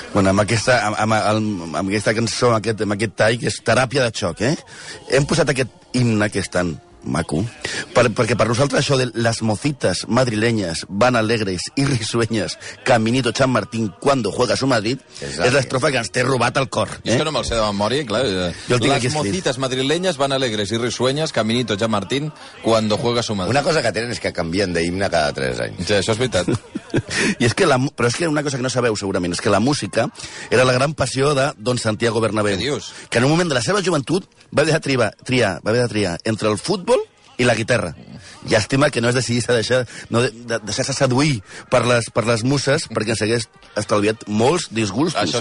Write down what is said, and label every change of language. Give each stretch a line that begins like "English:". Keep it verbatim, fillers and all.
Catalan: Bueno, amb aquesta, amb, amb, amb aquesta cançó, amb aquest, amb aquest tall, que és teràpia de xoc, eh? Hem posat aquest himne que és tan... maco, per, perquè per nosaltres això de
Spanish: las mocitas madrileñas van alegres y risueñas caminito San Martín cuando juega su Madrid.
Catalan: Exacte. És l'estrofa que ens té robat el cor, eh? Jo és que no me'l sé de memòria, clar.
Spanish: Las mocitas madrileñas van alegres y risueñas caminito San Martín cuando juega su Madrid.
Catalan: Una cosa que tenen és que canvien de himne cada tres anys. Sí, això és veritat. I és que la, però és que una cosa que no sabeu segurament és que la música era la gran passió de Don Santiago Bernabéu, que en un moment de la seva joventut va haver de triar, triar, va haver de triar entre el futbol i la guitarra. Llàstima que no es decidís a deixar, no, de, deixar-se seduir per les, per les muses, perquè s'hagués estalviat molts disgustos.